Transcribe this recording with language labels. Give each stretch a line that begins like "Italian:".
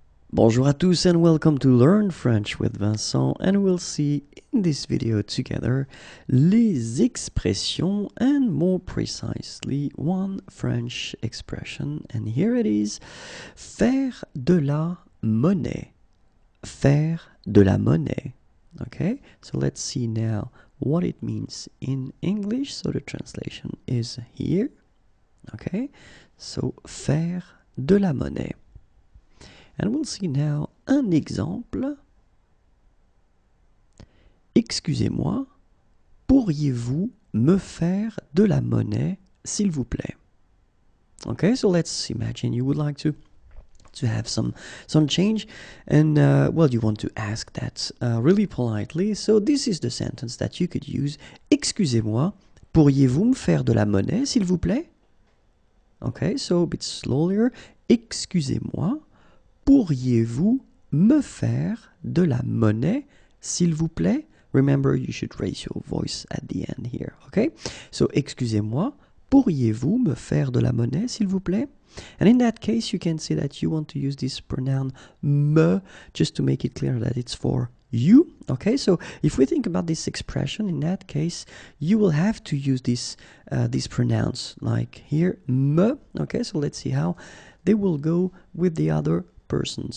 French: Bonjour à tous
English: and welcome to Learn French with Vincent, and we'll see in this video together
French: les expressions
English: and more precisely one French expression. And here it is, faire de la monnaie, faire de la monnaie. Okay, so let's see now what it means in English. So the translation is here. Okay, so faire de la monnaie. And we'll see now an example.
French: Excusez-moi, pourriez-vous me faire de la monnaie, s'il vous plaît?
English: Okay, so let's imagine you would like to have some change. And, well, you want to ask that really politely. So this is the sentence that you could use.
French: Excusez-moi, pourriez-vous me faire de la monnaie, s'il vous plaît?
English: Okay, so a bit slower.
French: Excusez-moi. Pourriez-vous me faire de la monnaie, s'il vous plaît?
English: Remember, you should raise your voice at the end here, okay?
French: So, excusez-moi, pourriez-vous me faire de la monnaie, s'il vous plaît?
English: And in that case, you can see that you want to use this pronoun me, just to make it clear that it's for you, okay? So, if we think about this expression, in that case, you will have to use this, this pronoun, like here, me, okay? So, let's see how they will go with the other persons.